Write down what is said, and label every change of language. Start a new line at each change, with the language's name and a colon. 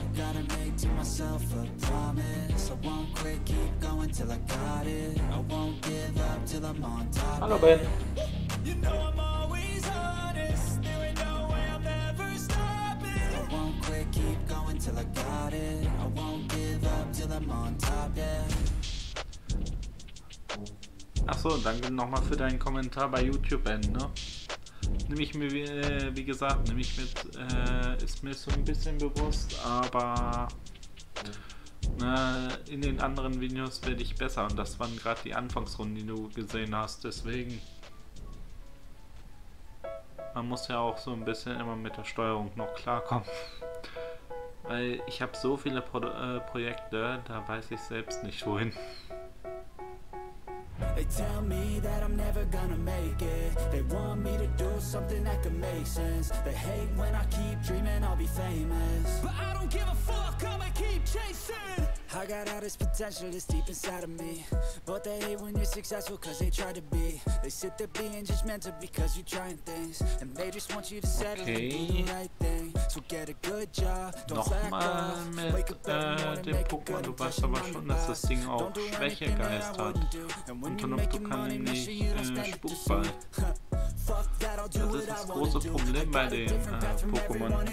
English: Gotta make to myself a promise. I won't quit, keep going till I got it. I won't give up till I'm on top.
German: Hallo Ben.
English: You know I'm always honest. There ain't no way I'm ever stopping. I won't quit, keep going till I got it. I won't give up till I'm on top, yeah.
German: Achso, danke nochmal für deinen Kommentar bei YouTube, Ben, ne? Nimm ich mir, wie gesagt, nehme ich mit, ist mir so ein bisschen bewusst, aber in den anderen Videos werde ich besser und das waren gerade die Anfangsrunden, die du gesehen hast, deswegen. Man muss ja auch so ein bisschen immer mit der Steuerung noch klarkommen. Weil ich habe so viele Projekte, da weiß ich selbst nicht wohin.
English: They tell me that I'm never gonna make it. They want me to do something that could make sense. They hate when I keep dreaming I'll be famous. But I don't give a fuck, I'ma keep chasing. I got all this potential that's deep inside of me. But they hate when you're successful cause they try to be. They sit there being judgmental because you're trying things. And they just want you to settle okay. And do the right thing. So get a good job, don't
German: nochmal
English: slack off. Wake up every morning, make a good impression on your boss. Don't do anything that I wouldn't do. And when you're making money, make sure you don't spend it too soon.
German: Das ist das große Problem bei den Pokémon.